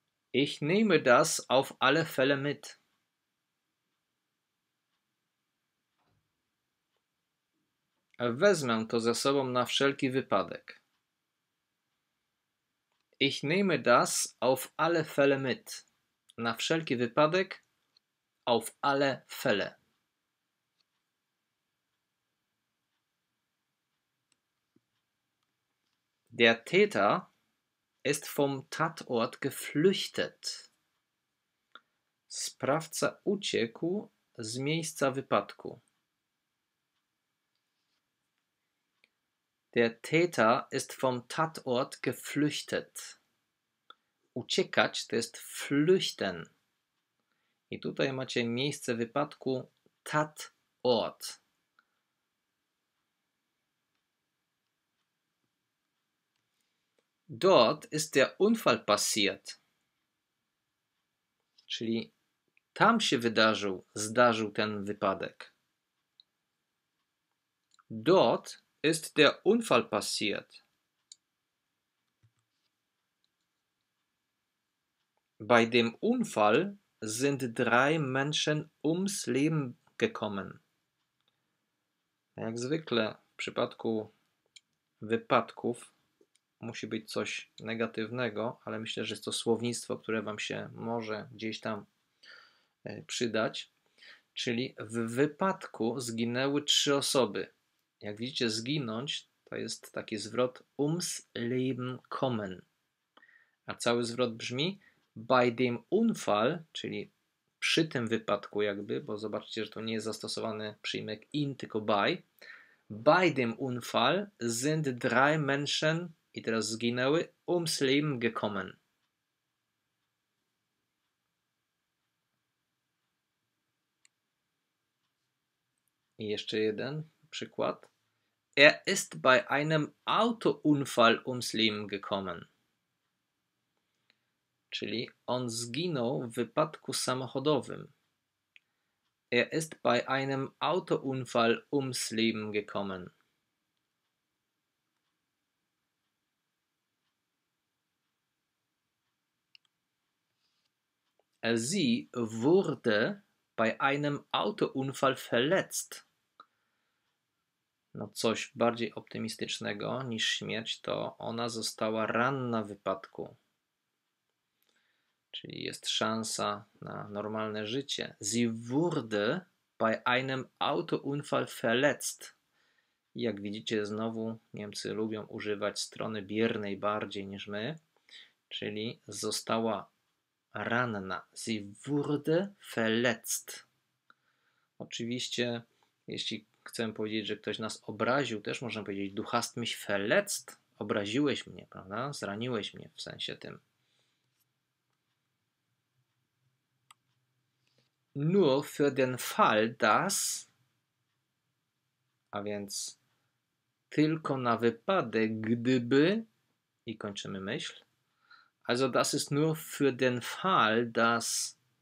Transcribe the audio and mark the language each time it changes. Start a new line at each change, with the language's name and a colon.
German: Ich nehme das auf alle Fälle mit.
Polish: Wezmę to ze sobą na wszelki wypadek.
German: Ich nehme das auf alle Fälle mit.
Polish: Na wszelki wypadek,
German: auf alle Fälle. Der Täter ist vom Tatort geflüchtet.
Polish: Sprawca uciekł z miejsca wypadku.
German: Der Täter ist vom Tatort geflüchtet.
Polish: Uciekać to jest flüchten. I tutaj macie miejsce wypadku Tatort.
German: Dort ist der Unfall passiert.
Polish: Czyli tam się zdarzył ten wypadek.
German: Dort ist der Unfall passiert. Bei dem Unfall sind drei Menschen ums Leben gekommen.
Polish: Jak zwykle w przypadku wypadków musi być coś negatywnego, ale myślę, że jest to słownictwo, które Wam się może gdzieś tam przydać. Czyli w wypadku zginęły trzy osoby. Jak widzicie, zginąć to jest taki zwrot
German: ums Leben kommen.
Polish: A cały zwrot brzmi
German: bei dem Unfall,
Polish: czyli przy tym wypadku jakby, bo zobaczcie, że to nie jest zastosowany przyimek in, tylko bei. Bei dem Unfall sind drei Menschen, i teraz zginęły, ums Leben gekommen. I jeszcze jeden przykład.
German: Er ist bei einem Autounfall ums Leben gekommen.
Polish: Czyli on zginął w wypadku samochodowym.
German: Er ist bei einem Autounfall ums Leben gekommen. Sie wurde bei einem Autounfall verletzt.
Polish: No coś bardziej optymistycznego niż śmierć, to ona została ranna w wypadku. Czyli jest szansa na normalne życie.
German: Sie wurde bei einem Autounfall verletzt.
Polish: Jak widzicie, znowu Niemcy lubią używać strony biernej bardziej niż my. Czyli została ranna.
German: Sie wurde verletzt.
Polish: Oczywiście, jeśli chcemy powiedzieć, że ktoś nas obraził, też można powiedzieć:
German: Du hast mich verletzt.
Polish: Obraziłeś mnie, prawda? Zraniłeś mnie w sensie tym.
German: Nur für den Fall, dass,
Polish: a więc tylko na wypadek, gdyby, i kończymy myśl.
German: Also das ist nur für den Fall, dass.